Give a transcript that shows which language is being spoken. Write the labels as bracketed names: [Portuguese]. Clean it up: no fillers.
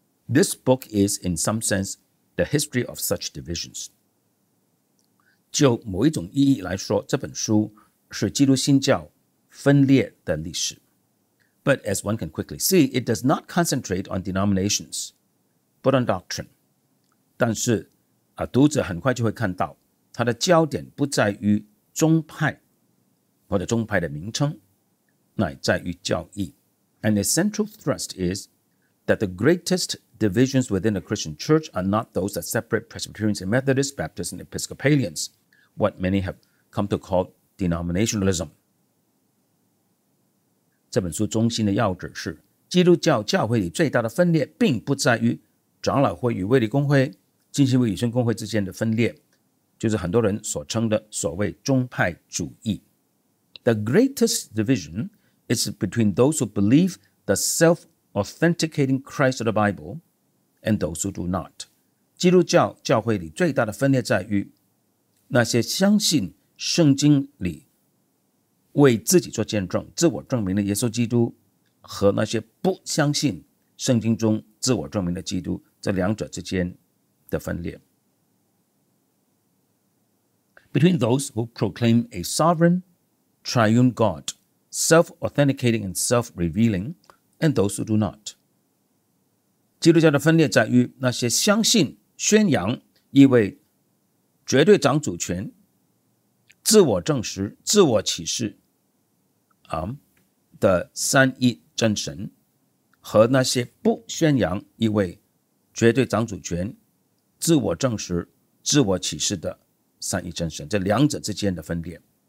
[English] This book is, in some sense, the history of such divisions. [Chinese] 就某一种意义来说，这本书是基督新教分裂的历史。 [English] But as one can quickly see, it does not concentrate on denominations, but on doctrine. [Chinese] 但是读者很快就会看到，它的焦点不在于宗派或者宗派的名称，乃在于教义。 [English] And the central thrust is that the greatest divisions within the Christian church are not those that separate Presbyterians and Methodists, Baptists and Episcopalians, what many have come to call denominationalism. [Chinese] 这本书中心的要旨是，基督教教会里最大的分裂并不在于长老会与卫理公会、浸信会与圣公会之间的分裂，就是很多人所称的所谓宗派主义。 [English] The greatest division is between those who believe the self-authenticating Christ of the Bible and those who do not. [Chinese] 基督教教会里最大的分裂在于那些相信圣经里为自己做见证、自我证明的耶稣基督，和那些不相信圣经中自我证明的基督，这两者之间的分裂。 [English] Between those who proclaim a sovereign, triune God, self-authenticating and self-revealing, and those who do not. [Chinese] 基督教的分裂在于那些相信宣扬意味绝对掌主权、自我证实、自我启示的三一真神，和那些不宣扬意味绝对掌主权、自我证实、自我启示的三一真神，这两者之间的分别。